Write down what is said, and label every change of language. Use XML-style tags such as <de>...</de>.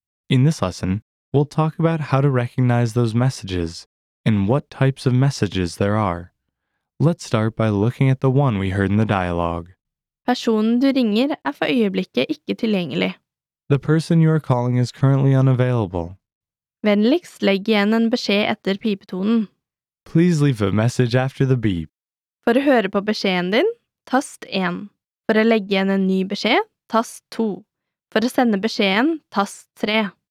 <en>In this lesson, we'll talk about how to recognize those messages and what types of messages there are. Let's start by looking at the one we heard in the dialogue.</en> <no>Personen du ringer for øyeblikket ikke tilgjengelig.</no> <en>The person you are calling is currently unavailable.</en> <no>Vennligst legg igjen en beskjed etter pipetonen.</no> <en>Please leave a message after the beep.</en> <no>For å høre på beskjeden din, tast 1. For å legge igjen en ny beskjed, tast 2. For å sende beskjeden, tast 3.</no>